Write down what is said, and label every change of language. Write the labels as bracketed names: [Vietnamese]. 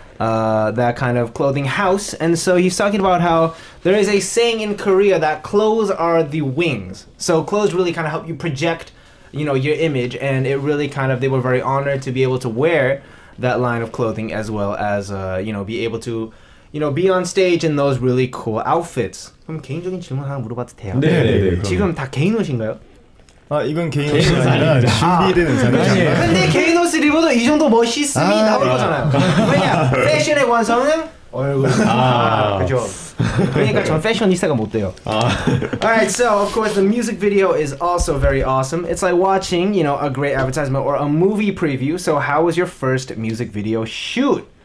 [English] That kind of clothing house, and so he's talking about how there is a saying in Korea that clothes are the wings. So clothes really kind of help you project, you know, your image, and it really kind of, they were very honored to be able to wear that line of clothing as well as, you know, be able to, you know, be on stage in those really cool outfits. [Korean] 그럼 개인적인 질문 하나 물어봐도 돼요? 네, 네, 네. 지금 다 개인 옷인가요? 아 이건 개인 옷이 아니라 준비된 의상이잖아요. 근데 개인 옷을 입어도 이 정도 멋있음이 나올 거잖아요. 왜냐? 패션의 완성은 그러니까 전 패셔니스타가 못 돼요. [English] Alright, so of course the music video is also very awesome. It's like watching, you know, a great advertisement or a movie preview. So how was your first music video shoot?